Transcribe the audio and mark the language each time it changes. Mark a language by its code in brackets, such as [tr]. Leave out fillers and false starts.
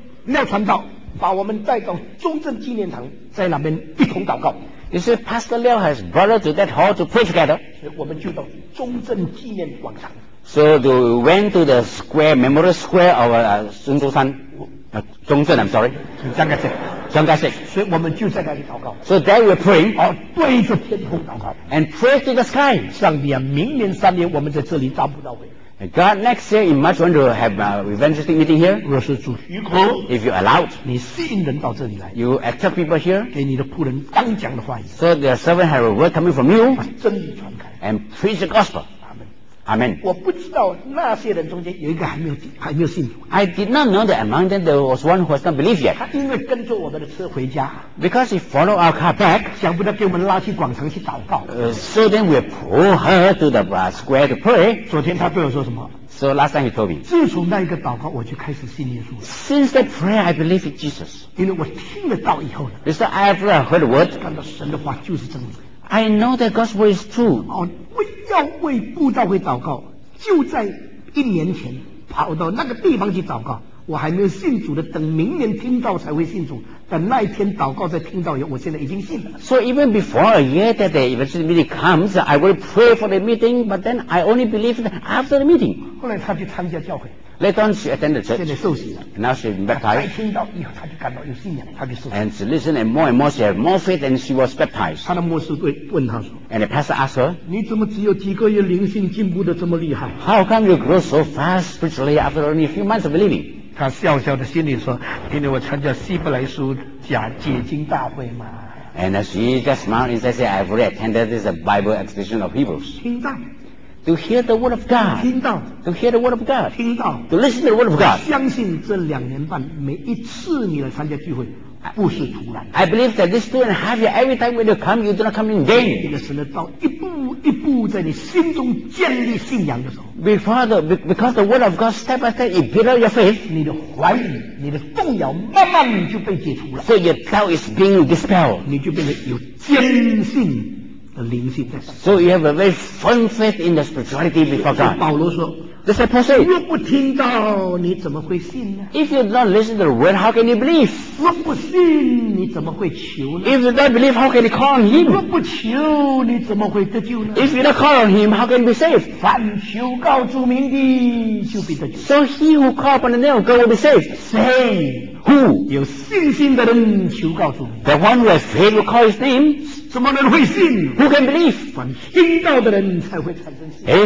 [zh] 那传道把我们带到中正纪念堂，在那边一同祷告。 [en] You see, Pastor Liao has brought us to that hall to pray together. [zh] 所以我们就到中正纪念广场。 [en] So we went to the square, memorial square of Sun Tzu Sen. 中正 I'm sorry. [zh] 蒋介石。蒋介石。所以我们就在那里祷告。 [en] So there we pray. [zh] 对着天空祷告。 [en] And pray to the sky. [zh] 上帝啊，明年三年我们在这里找不到位。 [en] God, next year in March, we want to have a evangelistic meeting here. [zh] 若是主许可 [en] ，if you allow, [zh] 你吸引人到这里来 [en] ，you attract people here. [zh] 给你的仆人当讲的话语 [en] ，so the servant have a word coming from you. [zh] 把真理传开 [en] ，and preach the gospel. Amen. Amen. [zh] 我不知道那些人中间有一个还没有信主。 [en] I did not know that among them there was one who has not believed yet. [zh] 他因为跟着我们的车回家 [en] ，because he followed our car back. [zh] 想不到给我们拉去广场去祷告。 [en] So then we pull her to the square to pray. [zh] 昨天他对我说什么 [en] ？So last time he told me. [zh] 自从那一个祷告，我就开始信耶稣了。 [en] Since that prayer, I believe in Jesus. [zh] 因为我听得到以后呢 [en] ，because after I heard the word, [zh] 感到神的话就是真理。 [en] I know that God's word is true. [zh] 要为布道会祷告，就在一年前跑到那个地方去祷告。我还没有信主的，等明年听到才会信主。等那一天祷告再听到，我现在已经信了。 [en] So even before a year that the evangelistic meeting comes, I will pray for the meeting, but then I only believe it after the meeting. [zh] 后来他去参加教会。 [en] Later on, she attended church. [zh] 现在受洗了。 [en] Now she baptized. [zh] 再听到以后，他就感到有信仰，他就受洗。 [en] And she listened, and more and more, she had more faith, and she was baptized. [zh] 他的牧师会问他说。 [en] And the pastor asked her. [zh] 你怎么只有几个月灵性进步的这么厉害 [en] ？How come you grow so fast spiritually after only a few months of believing? [zh] 他笑笑的心里说，因为我参加希伯来书假解经大会嘛。 [en] And she just smiled and said, "I've already attended this Bible exhibition of Hebrews." [zh] 听到。 [en] To hear the word of God. [zh] 听到。 [en] To hear the word of God. [zh] 听到。 [en] To listen to the word of God. [zh] 相信这两年半每一次你来参加聚会不是突然。 [en] I believe that this 2.5 years, every time when you come, you do not come in vain. [zh] 这个神的道一步一步在你心中建立信仰的时候。 [en] Because the word of God step by step, it build up your faith. [zh] 你的怀疑、你的动摇慢慢就被解除了。 [en] So your doubt is being dispelled. [zh] 你就变得有坚信。灵性的 [en] so you have a very firm faith in the spirituality before God. [zh] 保罗说 [en] the apostle said, [zh] 若不听到你怎么会信呢 [en] If you don't listen to the word, how can you believe? [zh] 若不信你怎么会求呢 [en] If you don't believe, how can you call on him? [zh] 若不求你怎么会得救呢 [en] If you don't call on him, how can you be saved? [zh] 凡求告主名的就必得救 [en] So he who call upon the name of God will be saved. Say, who? [zh] 有信心的人求告主名 [en] The one who has faith will call his name. [zh] 什么人会信 [en] ？Who can believe？ [zh] 凡听到的人才会产生信。